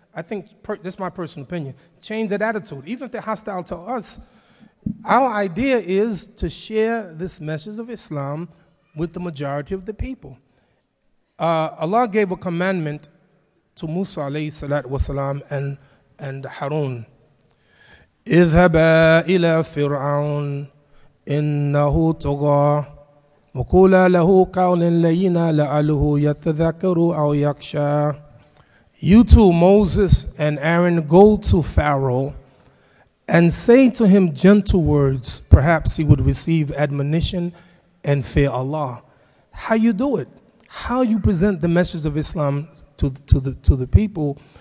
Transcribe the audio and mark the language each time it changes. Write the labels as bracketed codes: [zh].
[en] I think this is my personal opinion. Change that attitude. Even if they're hostile to us, our idea is to share this message of Islam with the majority of the people. Allah gave a commandment to Musa alayhi salatu wasalam and Harun. [ar] اذهبَا إلى فرعون إنه طغى وقولَ له قولاً لَيِّنًا لَعَلَّهُ يَتَذَكَّرُ أَوْ يَخْشَى. [en] You two, Moses and Aaron, go to Pharaoh and say to him gentle words. Perhaps he would receive admonition and fear Allah. How you do it? How you present the message of Islam to the people?